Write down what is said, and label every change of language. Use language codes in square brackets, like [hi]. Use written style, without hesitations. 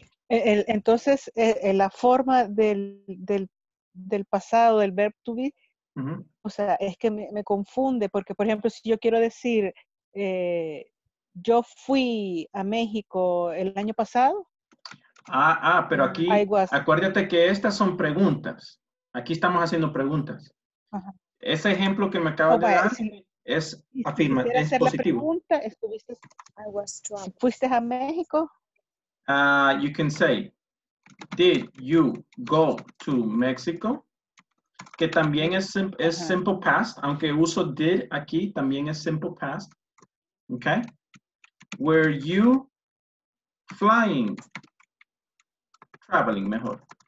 [es] La forma del pasado, del verb to be, uh-huh. o sea, es que me confunde, porque, por ejemplo, si yo quiero decir, yo fui a México el año pasado. Pero aquí, acuérdate que estas son preguntas. Aquí estamos haciendo preguntas. Uh-huh. Ese ejemplo que me acabas de dar es afirmativo, es positivo. Pregunta, estuviste, [en] I was traveling. [es] ¿Fuiste a México? [en] You can say, did you go to Mexico? [es] Que también es uh-huh. simple past, aunque uso did aquí, también es simple past. [en] Okay. Were you flying? Traveling, mejor.